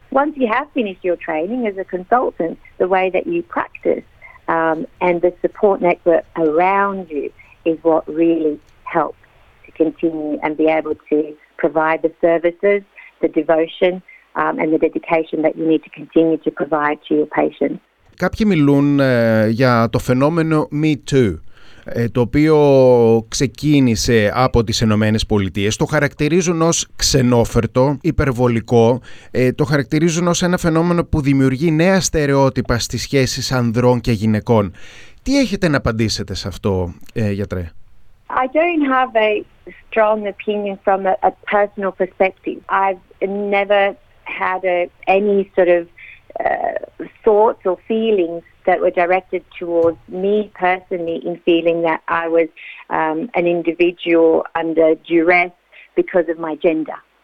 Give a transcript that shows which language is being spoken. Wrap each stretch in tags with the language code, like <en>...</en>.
<en>Once you have finished your training as a consultant, the way that you practice and the support network around you is what really helps continue and be able to provide the services, the devotion and the dedication that you need to continue to provide to your patients.</en> <el>Κάποιοι μιλούν για το φαινόμενο Me Too, το οποίο ξεκίνησε από τις Ηνωμένες Πολιτείες. Το χαρακτηρίζουν ως ξενόφερτο, υπερβολικό. Το χαρακτηρίζουν ως ένα φαινόμενο που δημιουργεί νέα στερεότυπα στις σχέσεις ανδρών και γυναικών. Τι έχετε να απαντήσετε σε αυτό, γιατρέ?</el> <en>I don't have a strong opinion from a personal perspective. I've never had any sort of thoughts or feelings that were directed towards me personally in feeling that I was an individual under duress because of my gender.</en>